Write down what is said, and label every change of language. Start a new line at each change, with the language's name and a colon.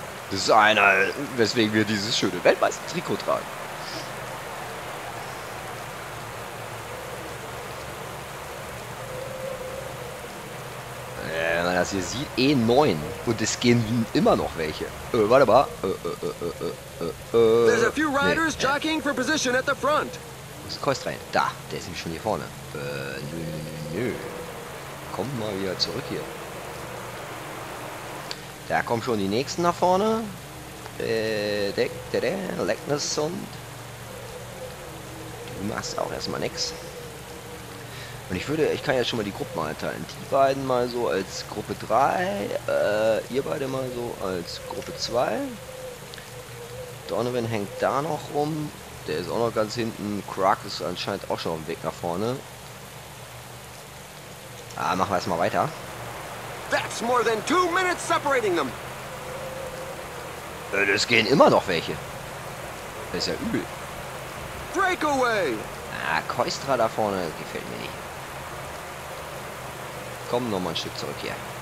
German: Das ist einer, weswegen wir dieses schöne Weltmeister-Trikot tragen. Wenn man das hier sieht, E9. Und es gehen immer noch welche. Warte mal.
English: There's a few riders jockeying for position at the front.
German: Wo ist Kost rein? Da, der ist nämlich schon hier vorne. Nö. Komm mal wieder zurück hier. Da kommen schon die nächsten nach vorne. Leckneson. Du machst auch erstmal nix. Und ich kann ja schon mal die Gruppen einteilen. Die beiden mal so als Gruppe 3. Ihr beide mal so als Gruppe 2. Donovan hängt da noch rum. Der ist auch noch ganz hinten. Krug ist anscheinend auch schon auf dem Weg nach vorne. Ah, machen wir erstmal weiter.
English: That's more than 2 minutes separating them.
German: Es gehen immer noch welche. Das ist ja übel.
English: Breakaway!
German: Ah, Keustra da vorne, das gefällt mir nicht. Komm nochmal ein Stück zurück hier.